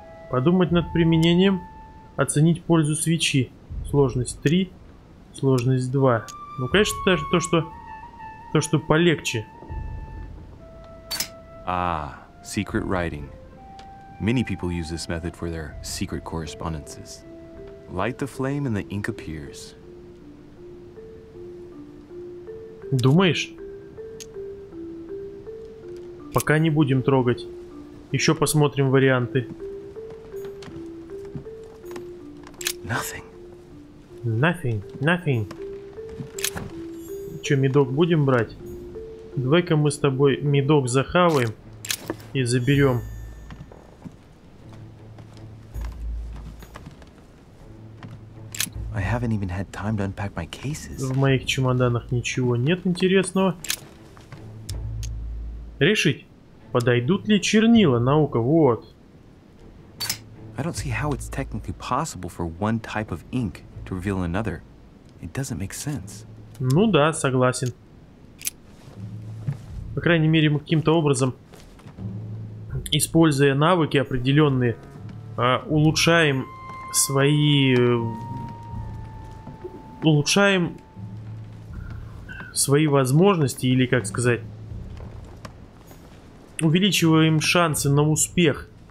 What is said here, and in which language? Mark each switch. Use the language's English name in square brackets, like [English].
[Russian] Подумать над применением. Оценить пользу свечи. Сложность 3. Сложность 2. Ну, конечно, даже то, что полегче. [English] Ah, secret writing. Many people use this method for their secret correspondences. Light the flame and the ink appears. [Russian] Думаешь? Пока не будем трогать. Еще посмотрим варианты. [English] Nothing. Nothing. Nothing. [Russian] Че, медок будем брать? Давай-ка мы с тобой медок захаваем и заберем. [English] I haven't even had time to unpack my cases. [Russian] В моих чемоданах ничего нет интересного. Решить. Подойдут ли чернила, наука, вот. [English] I don't see how it's technically possible for one type of ink to reveal another. It doesn't make sense. [Russian] Ну да, согласен. По крайней мере, мы каким-то образом, используя навыки определенные, улучшаем свои... улучшаем свои возможности, или, как сказать, увеличиваем шансы на успех.